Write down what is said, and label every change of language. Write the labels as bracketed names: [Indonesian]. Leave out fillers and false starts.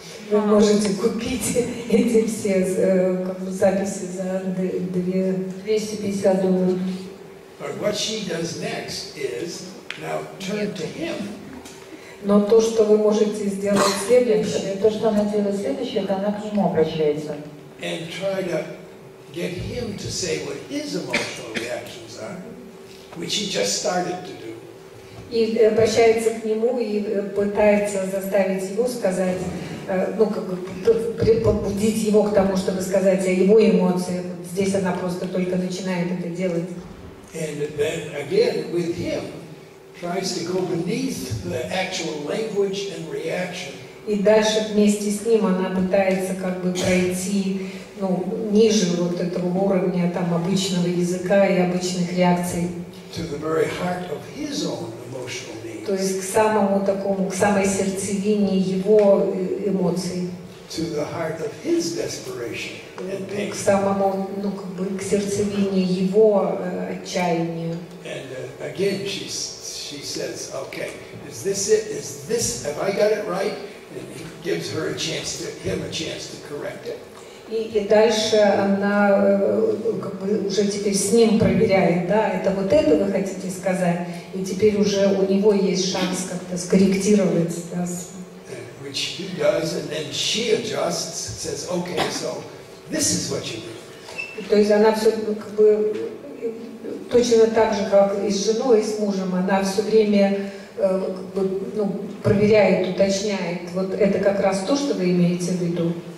[Russian] Вы можете купить эти все записи за $250. [English] But what she does next is now turn to him. [Russian] Но то, что вы можете сделать следующее, то, что она делает следующее, это она к нему обращается. [English] And try to get him to say what his emotional reactions are, which he just started to do. [Russian] И обращается к нему и пытается заставить его сказать, ну, как бы побудить его к тому, чтобы сказать о его эмоциях. Здесь она просто только начинает это делать. [English] And then again with him. Tries to go beneath the actual language and reaction. [Russian] И дальше вместе с ним она пытается как бы пройти, ну, ниже вот этого уровня там обычного языка и обычных реакций. [English] To the very heart of his own emotional needs. [Russian] То есть к самому такому, к самой сердцевине его эмоций. [English] To the heart of his desperation and pain. [Russian] К самому, ну, как бы к сердцевине его отчаянию. [English] And again she says, okay, is this it? Is this, have I got it right? And he gives her a chance to, him a chance to correct it. [Russian] И дальше она как бы уже теперь с ним проверяет, да, это вот это вы хотите сказать? И теперь уже у него есть шанс как-то скорректировать, да. [English] Which he does, and then she adjusts, says, okay, so this is what you do. [Russian] То есть она все как бы точно так же, как и с женой, и с мужем, она все время как бы, ну, проверяет, уточняет, вот это как раз то, что вы имеете в виду.